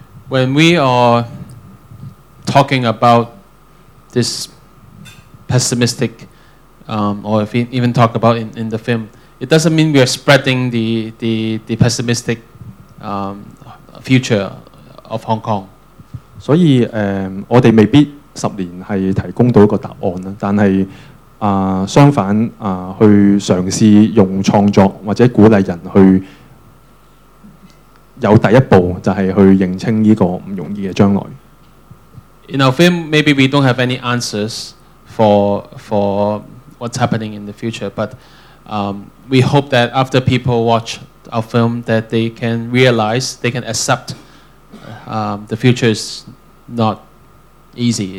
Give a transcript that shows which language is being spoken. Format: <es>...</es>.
<en>When we are talking about this pessimistic, or if we even talk about in the film, it doesn't mean we are spreading the pessimistic future of Hong Kong.</en> <yue>所以我哋未必十年係提供到一個答案，但係相反去嘗試用創作或者鼓勵人去有第一步，就係去認清呢個唔容易嘅將來。</yue> <en>In our film, maybe we don't have any answers for what's happening in the future, but we hope that after people watch our film, that they can realize, they can accept the future is not easy.</en>